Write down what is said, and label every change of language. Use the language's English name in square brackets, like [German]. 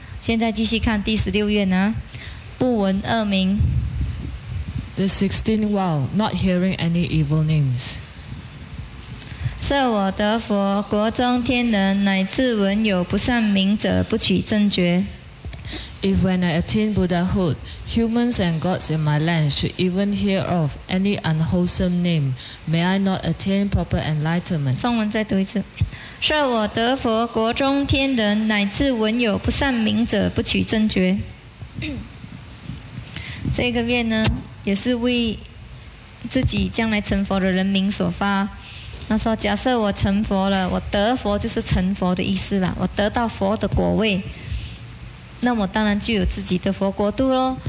[Chinese] 现在继续看第十六愿啊，不闻恶名。 [English] The 16th vow, not hearing any evil names. [Chinese] 设我得佛，国中天人乃至文有不善明者，不取正觉。 [English] If when I attain Buddhahood, humans and gods in my land should even hear of any unwholesome name, may I not attain proper enlightenment? [Chinese] 中文再读一次。设我得佛，国中天人乃至文有不善明者，不取正觉。这个愿呢，也是为自己将来成佛的人民所发。他说：“假设我成佛了，我得佛就是成佛的意思啦，我得到佛的果位，那我当然就有自己的佛国度喽。